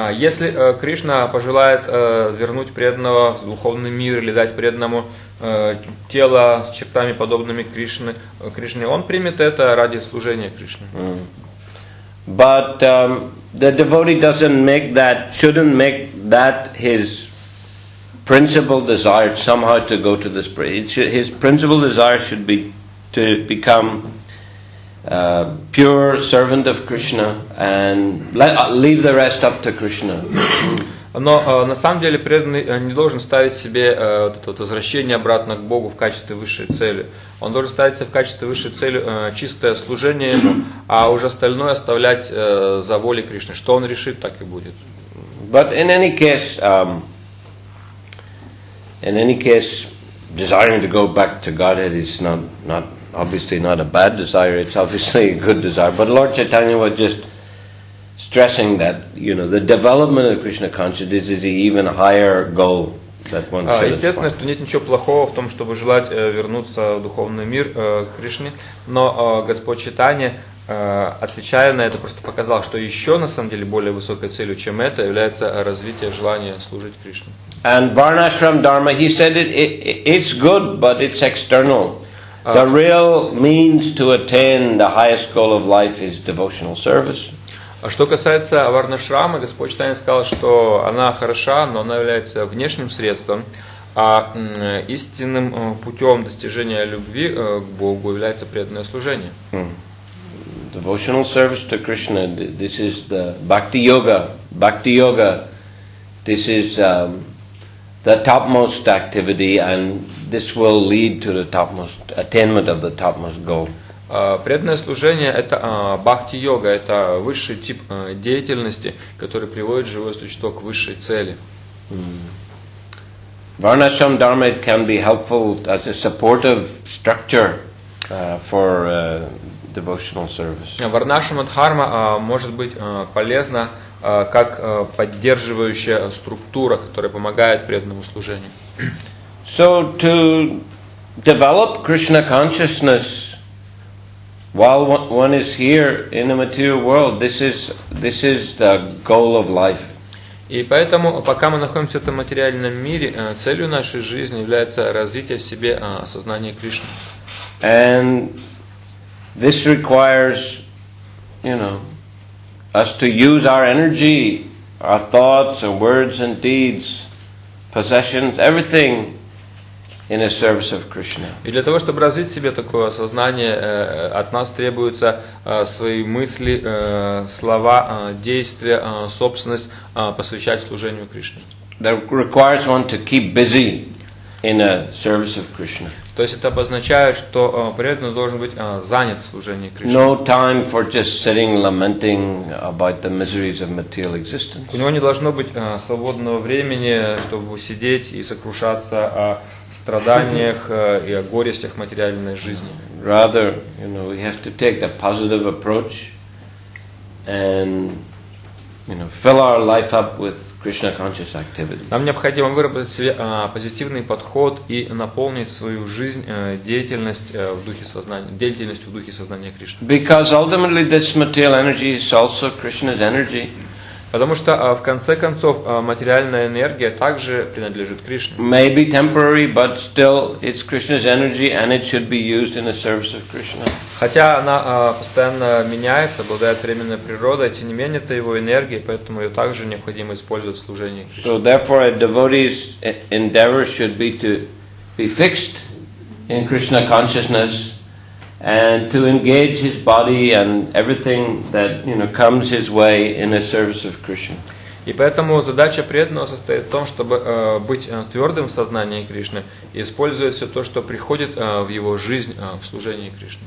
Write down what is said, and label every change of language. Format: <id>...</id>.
<ru>Если Кришна пожелает вернуть преданного в духовный мир или дать преданному тело с чертами подобными Кришне, он примет это ради служения Кришне. Mm.</ru> <en>But the devotee shouldn't make that his principal desire somehow to go to the spirit. His principal desire should be to become pure servant of Krishna and leave the rest up to Krishna.</en> <ru>Но на самом деле преданный не должен ставить себе вот это вот возвращение обратно к Богу в качестве высшей цели. Он должен ставить себе в качестве высшей цели чистое служение ему, а уже остальное оставлять за волей Кришны. Что он решит, так и будет.</ru> <en>But in any case, desiring to go back to Godhead is not obviously not a bad desire. It's obviously a good desire. But Lord Chaitanya was just stressing that, you know, the development of Krishna consciousness is an even higher goal that one should.</en> <ru>Естественно, что нет ничего плохого в том, чтобы желать вернуться в духовный мир Кришне, но Господь Чайтанья, отвечая на это, просто показал, что еще на самом деле более высокой целью, чем это, является развитие желания служить Кришне.</ru> <en>And Varnashram Dharma, he said it's good, but it's external. The real means to attain the highest goal of life is devotional service.</en> <ru>Что касается Варнашрама, Господь Читания сказал, что она хороша, но она является внешним средством, а истинным путем достижения любви к Богу является преданное служение. Hmm.</ru> <en>Devotional service to Krishna, this is the Bhakti Yoga, this is the topmost activity, and this will lead to the topmost attainment of the topmost goal.</en> <ru>Преданное служение – это бхакти-йога, это высший тип деятельности, который приводит живое существо к высшей цели.</ru> <en>Varnashram Dharma can be helpful as a supportive structure for devotional service.</en> <ru>Варнашрама Дхарма может быть полезна как поддерживающая структура, которая помогает преданному служению.</ru> <en>So to develop Krishna consciousness while one is here in the material world, this is the goal of life.</en> <ru>И поэтому, пока мы находимся в этом материальном мире, целью нашей жизни является развитие в себе осознания Кришны.</ru> <en>And this requires, you know, us to use our energy, our thoughts, our words and deeds, possessions, everything in a service of Krishna.</en> <ru>И для того, чтобы развить в себе такое осознание, от нас требуются свои мысли, слова, действия, собственность посвящать служению Кришне.</ru> <en>That requires one to keep busy in a service of Krishna.</en> <ru>То есть это обозначает, что преданный должен быть занят в служении Кришне.</ru> <en>No time for just sitting lamenting about the miseries of material existence.</en> <ru>У него не должно быть свободного времени, чтобы сидеть и сокрушаться о страданиях и о горестях материальной жизни.</ru> <en>Rather, you know, we have to take the positive approach and, you know, fill our life up with Krishna conscious activity.</en> <ru>Нам необходимо выработать себе позитивный подход и наполнить свою жизнь деятельностью в духе сознания Кришны.</ru> <en>Because ultimately this material energy is also Krishna's energy.</en> <ru>Потому что в конце концов материальная энергия также принадлежит Кришне.</ru> <en>Maybe temporary, but still it's Krishna's energy and it should be used in the service of Krishna.</en> <ru>Хотя она постоянно меняется, обладает временной природой, тем не менее это его энергия, поэтому ее также необходимо использовать в служении Кришне.</ru> <en>So therefore a devotee's endeavor should be to be fixed in Krishna consciousness and to engage his body and everything that, you know, comes his way in a service of Krishna.</en> <ru>И поэтому задача преданного состоит в том, чтобы быть твердым в сознании Кришны и использовать все то, что приходит в его жизнь в служении Кришне.</ru>